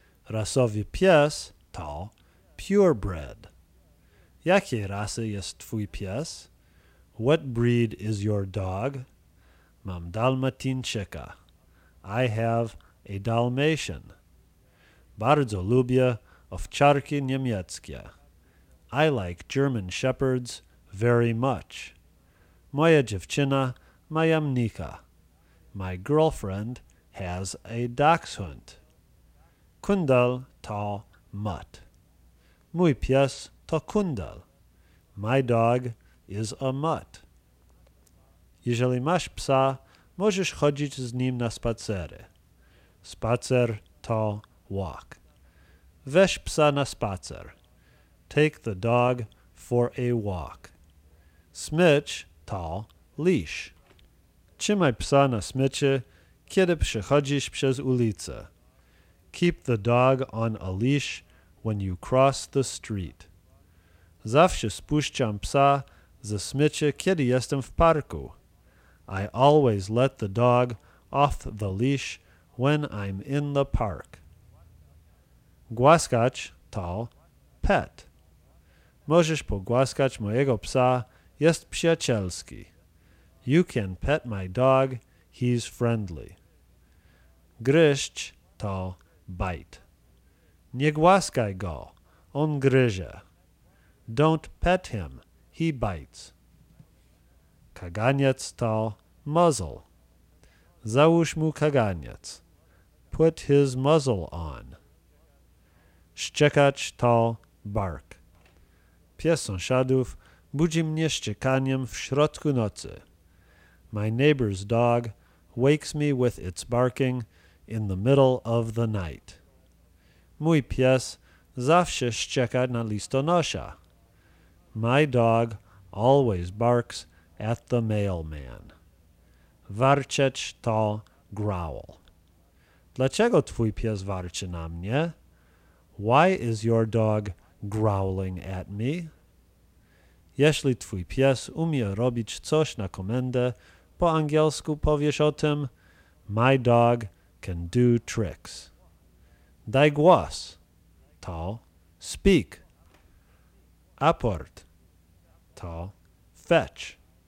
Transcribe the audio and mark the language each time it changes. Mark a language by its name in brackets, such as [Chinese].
[Polish] Rasowy pies to purebred. Jakiej rasy jest twój pies? [English] What breed is your dog? [Polish] Mam dalmatinczyka. [English] I have a Dalmatian. [Polish] Bardzo lubię owczarki niemieckie. [English] I like German shepherds very much. [Polish] Moja dziewczyna ma jamnika. [English] My girlfriend has a dachshund. [Polish] Kundel to mutt. Mój pies to kundel. [English] My dog is a mutt. [Polish] Jeżeli masz psa, możesz chodzić z nim na spacery. Spacer to walk. Weź psa na spacer. [English] Take the dog for a walk. [Polish] Smycz to [English] leash. [Polish] Trzymaj psa na smyczy, kiedy przechodzisz przez ulicę. [English] Keep the dog on a leash when you cross the street. [Polish] Zawsze spuszczam psa ze smyczy, kiedy jestem w parku. [English] I always let the dog off the leash when I'm in the park. [Polish] Głaskacz to pet. Możesz pogłaskać mojego psa, jest przyjacielski. [English] You can pet my dog, he's friendly. [Polish] Gryźć to bite. Nie głaskaj go, on gryzie. [English] Don't pet him, he bites. [Polish] Kaganiec to [English] muzzle. [Polish] Załóż mu kaganiec. [English] Put his muzzle on. [Polish] Szczekacz to bark. Pies sąsiadów budzi mnie szczekaniem w środku nocy. [English] My neighbor's dog wakes me with its barking in the middle of the night. [Polish] Mój pies zawsze szczeka na listonosza. [English] My dog always barks at the mailman. [Polish] Warczeć to growl. Dlaczego twój pies warczy na mnie? [English] Why is your dog growling at me? [Polish] Jeśli twój pies umie robić coś na komendę, po angielsku powiesz o tym, [English] my dog can do tricks. [Polish] Daj głos, to speak. Aport, to fetch.